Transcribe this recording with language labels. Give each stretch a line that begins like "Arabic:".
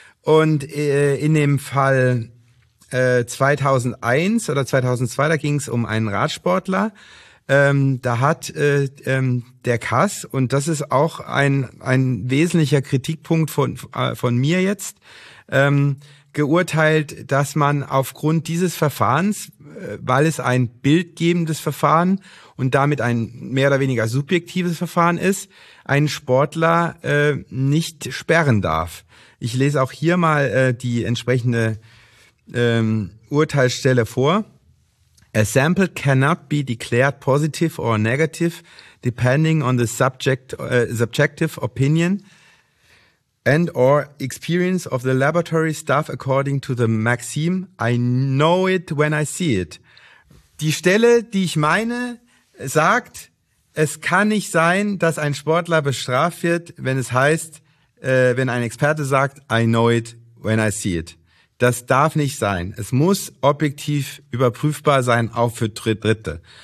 German: Und in dem Fall 2001 oder 2002, da ging es um einen Radsportler, da hat der CAS, und das ist auch ein wesentlicher Kritikpunkt von mir jetzt, geurteilt, dass man aufgrund dieses Verfahrens, weil es ein bildgebendes Verfahren und damit ein mehr oder weniger subjektives Verfahren ist, einen Sportler nicht sperren darf. Ich lese auch hier mal die entsprechende Urteilsstelle vor.
English: A sample cannot be declared positive or negative, depending on the subjective opinion and or experience of the laboratory staff according to the maxim, I know it when I see it.
German: Die Stelle, die ich meine, sagt, es kann nicht sein, dass ein Sportler bestraft wird, wenn es heißt, wenn ein Experte sagt,
English: I know it when I see it.
German: Das darf nicht sein. Es muss objektiv überprüfbar sein, auch für Dritte.